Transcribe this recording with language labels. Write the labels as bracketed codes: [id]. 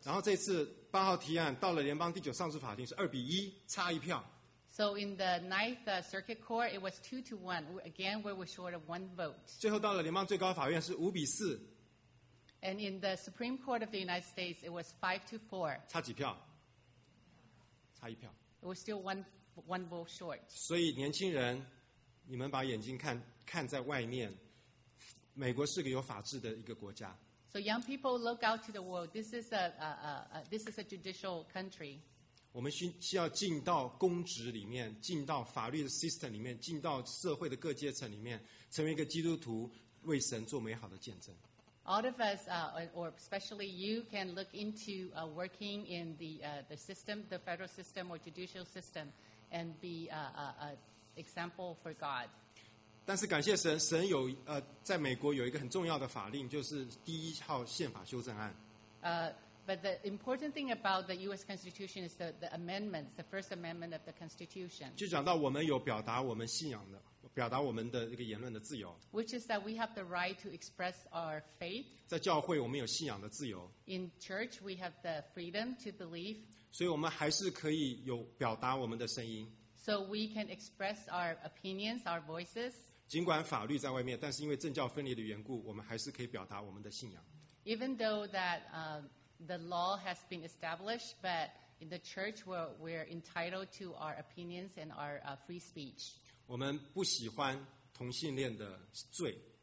[zh] 然后这次八号提案到了联邦第九上诉法庭是2-1，差一票。 [en] So in the ninth circuit court, it was 2-1. Again, we were short of one vote. [zh] 最后到了联邦最高法院是5-4。 [en] And in the Supreme Court of the United States, it was 5-4. [zh] 差几票？差一票。 [en] It was still one vote short. [zh] 所以年轻人，你们把眼睛看在外面，美国是个有法治的一个国家。 [en] So young people, look out to the world. This is a judicial country. [zh] 我们需要进到公职里面，进到法律的 system 里面，进到社会的各阶层里面，成为一个基督徒，为神做美好的见证。 [en] All of us, or especially you, can look into working in the system, the federal system or judicial system, and be an example for God. [zh] 但是感谢神，神有在美国有一个很重要的法令，就是第一号宪法修正案。 [en] But the important thing about the U.S. Constitution is the amendments, the first amendment of the Constitution. [zh] 就讲到我们有表达我们信仰的。表达我们的一个言论的自由。 [en] Which is that we have the right to express our faith. [zh] 在教会我们有信仰的自由。 [en] In church we have the freedom to believe. [zh] 所以我们还是可以有表达我们的声音。 [en] So we can express our opinions, our voices. [zh] 尽管法律在外面，但是因为政教分离的缘故，我们还是可以表达我们的信仰。 [en] Even though that the law has been established, but in the church we're entitled to our opinions and our free speech. [zh] 我们不喜欢同性恋的罪。